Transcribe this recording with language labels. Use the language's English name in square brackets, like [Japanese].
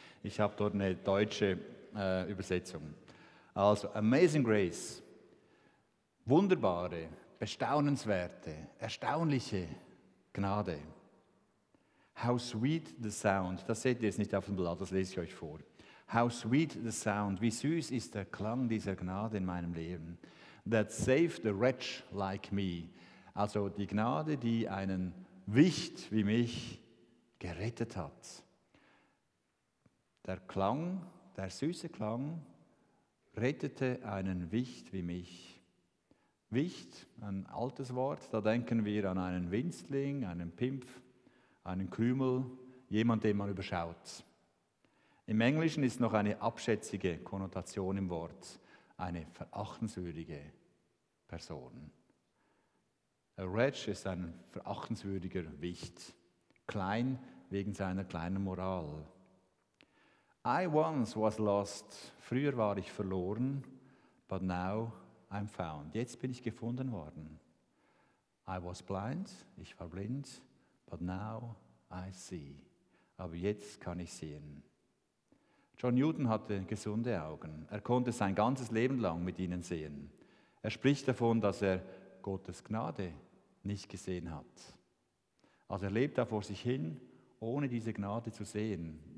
[German] Ich habe dort eine deutsche Übersetzung. Also Amazing Grace, wunderbare, bestaunenswerte, erstaunliche Gnade. [English] How sweet the sound, [German] das seht ihr jetzt nicht auf dem Blatt, das lese ich euch vor. [English] How sweet the sound, [German] wie süß ist der Klang dieser Gnade in meinem Leben. [English] That saved a wretch like me. [German] Also die Gnade, die einen Wicht wie mich gerettet hat. Der Klang, der süße Klang, rettete einen Wicht wie mich. Wicht, ein altes Wort, da denken wir an einen Winzling, einen Pimpf, einen Krümel, jemand, den man überschaut. Im Englischen ist noch eine abschätzige Konnotation im Wort, eine verachtenswürdige Person. A wretch ist ein verachtenswürdiger Wicht, klein wegen seiner kleinen Moral. [English] I once was lost, [German] früher war ich verloren, [English] but now I'm found. [German] Jetzt bin ich gefunden worden. [English] I was blind, [German] ich war blind, [English] but now I see. [German] Aber jetzt kann ich sehen. John Newton hatte gesunde Augen. Er konnte sein ganzes Leben lang mit ihnen sehen. Er spricht davon, dass er Gottes Gnade nicht gesehen hat. Also er lebt da vor sich hin, ohne diese Gnade zu sehen.